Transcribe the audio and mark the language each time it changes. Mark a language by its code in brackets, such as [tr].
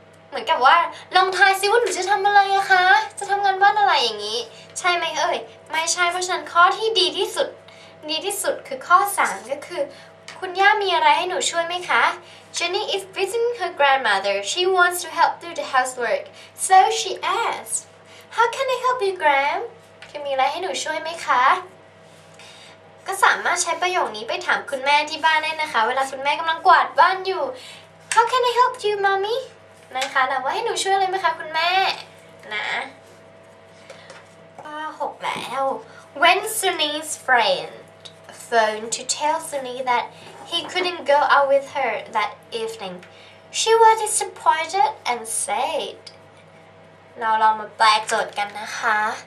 [th] เหมือนกับว่าลองทายซิว่าหนูจะทำอะไรอะคะจะทำงานบ้านอะไรอย่างนี้ใช่ไหมเอ่ยไม่ใช่เพราะฉะนั้นข้อที่ดีที่สุดคือข้อ3ก็คือคุณย่ามีอะไรให้หนูช่วยไหมคะ [en] Jenny is visiting her grandmother. She wants to help do the housework. So she asks, How can I help you, Gram? [th] คือมีอะไรให้หนูช่วยไหมคะก็สามารถใช้ประโยคนี้ไปถามคุณแม่ที่บ้านได้นะคะเวลาคุณแม่กำลังกวาดบ้านอยู่ [en] How can I help you, Mommy? [th] นะคะถามว่าให้หนูช่วยเลยไหมคะคุณแม่นะป้า6แล้ว [en] When Sunny's friend phoned to tell Sunny that he couldn't go out with her that evening she was disappointed and said [th] เราลองมาแปลโจทย์กันนะคะ